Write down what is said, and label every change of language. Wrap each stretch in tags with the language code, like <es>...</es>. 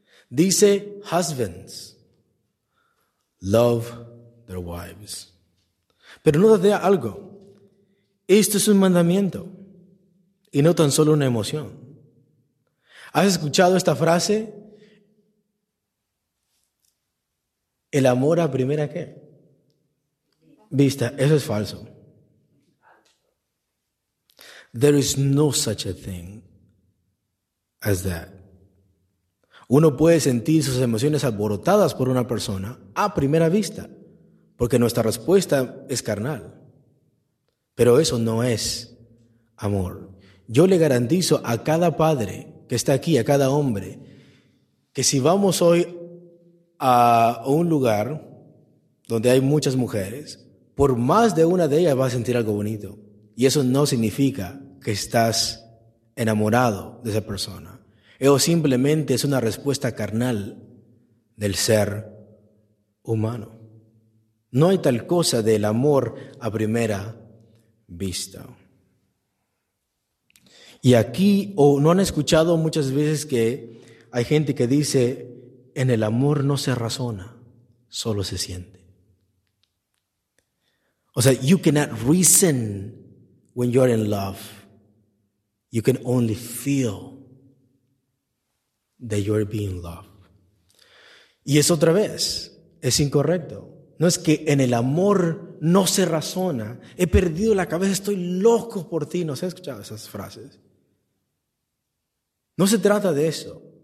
<es>Dice:</es> <en>husbands, love their wives.</en> <es>Pero note algo. Esto es un mandamiento y no tan solo una emoción. ¿Has escuchado esta frase? ¿El amor a primera qué? Vista, eso es falso.</es> <en>There is no such a thing as that.</en> <es>Uno puede sentir sus emociones alborotadas por una persona a primera vista, porque nuestra respuesta es carnal. Pero eso no es amor. Yo le garantizo a cada padre que está aquí, a cada hombre, que si vamos hoy a un lugar donde hay muchas mujeres, por más de una de ellas vas a sentir algo bonito. Y eso no significa que estás enamorado de esa persona. Eso simplemente es una respuesta carnal del ser humano. No hay tal cosa del amor a primera vista. Y aquí, ¿no han escuchado muchas veces que hay gente que dice, en el amor no se razona, solo se siente? O sea,</es> <en>you cannot reason when you're in love. You can only feel that you're being loved.</en> <es>Y es otra vez, Es incorrecto. No es que en el amor no se razona. He perdido la cabeza, estoy loco por ti. ¿No se ha escuchado esas frases? No se trata de eso.</es>